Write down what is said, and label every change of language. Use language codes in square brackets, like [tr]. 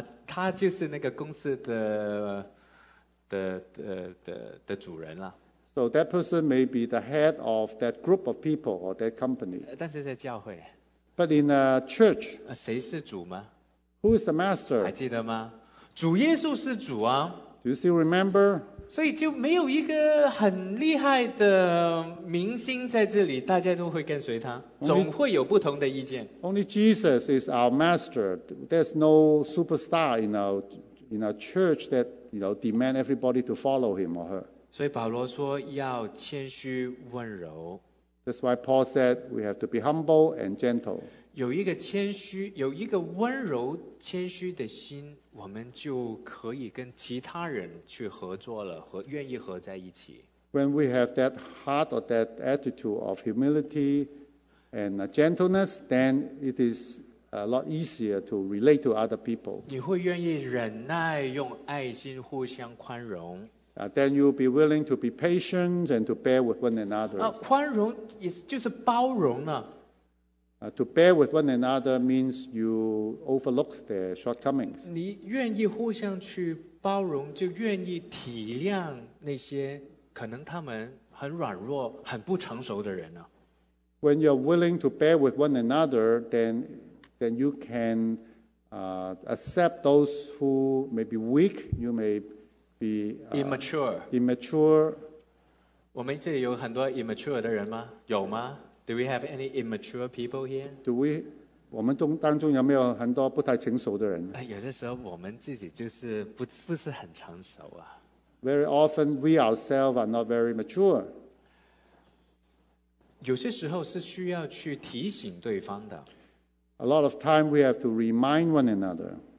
[zh] 他就是那个公司的主人了。 [en] So that person may be the head of that group of people or that company. [zh] 但是在教会。 [en] But in a church. [zh] 谁是主吗? [en] Who is the master? [zh] 还记得吗?主耶稣是主啊。 [en] Do you still remember? [zh] 所以就没有一个很厉害的明星在这里,大家都会跟随他。总会有不同的意见。 [en] Only Jesus is our master. There's no superstar in our church that, you know, demand everybody to follow him or her. [zh] 所以保罗说要谦虚温柔。 [en] That's why Paul said we have to be humble and gentle. [zh] 有一个谦虚，有一个温柔谦虚的心，我们就可以跟其他人去合作了，和愿意合在一起。 [en] When we have that heart or that attitude of humility and gentleness, then it is a lot easier to relate to other people. [zh] 你会愿意忍耐，用爱心互相宽容。 [en] Then you'll be willing to be patient and to bear with one another. [zh] 宽容也就是包容啊。 [en] To bear with one another means you overlook their shortcomings. [zh] 你愿意互相去包容，就愿意体谅那些可能他们很软弱、很不成熟的人啊。 [en] When you're willing to bear with one another, then you can accept those who may be weak, you may be immature. [zh] 我们这里有很多 immature 的人吗? 有吗? [en] Do we have any immature people here? [zh] 我们当中有没有很多不太成熟的人? 有些时候我们自己就是不是很成熟啊。 [en] Very often we ourselves are not very mature. [zh] 有些时候是需要去提醒对方的。 [en] A lot of time we have to remind one another.